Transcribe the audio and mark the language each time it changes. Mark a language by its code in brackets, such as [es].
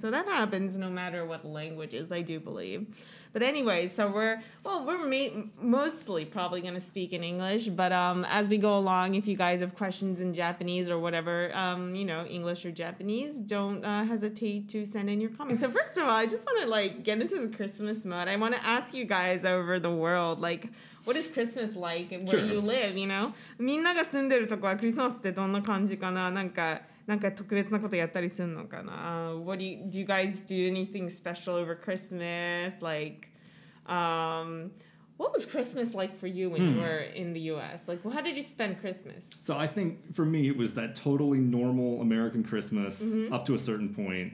[en] So that happens no matter what language is, I do believe. But anyway, so we're mostly probably going to speak in English, but as we go along, if you guys have questions in Japanese or whatever, you know, English or Japanese, don't hesitate to send in your comments. So first of all, I just want to like get into the Christmas mode. I want to ask you guys over the world, like, what is Christmas like and where you live, you know? [ja] みんなが住んでるとこはクリスマスってどんな感じかな？なんか特別なことやったりするのかな？ [en] Do you guys do anything special over Christmas? Like, what was Christmas like for you when you were in the US? Like, how did you spend Christmas? So I think for me, it was that totally normal American Christmas up to a certain point.